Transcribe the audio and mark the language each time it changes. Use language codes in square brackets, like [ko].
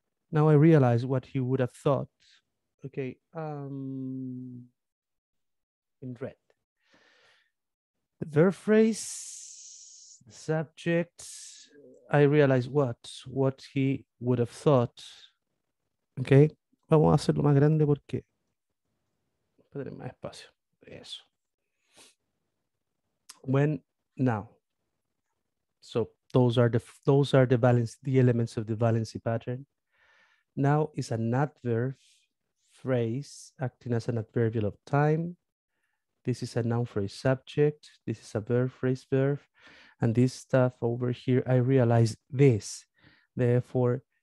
[en] Now I realize what he would have thought. Okay, in red. The verb phrase, the subject, I realize what he would have thought. [es] Okay, vamos a hacerlo más grande porque tendré más espacio. Eso. [en] When, now. So those are the valency, the elements of the valency pattern. Now is an adverb phrase acting as an adverbial of time. This is a noun phrase subject. This is a verb phrase verb. And this stuff over here, I realize this. Therefore,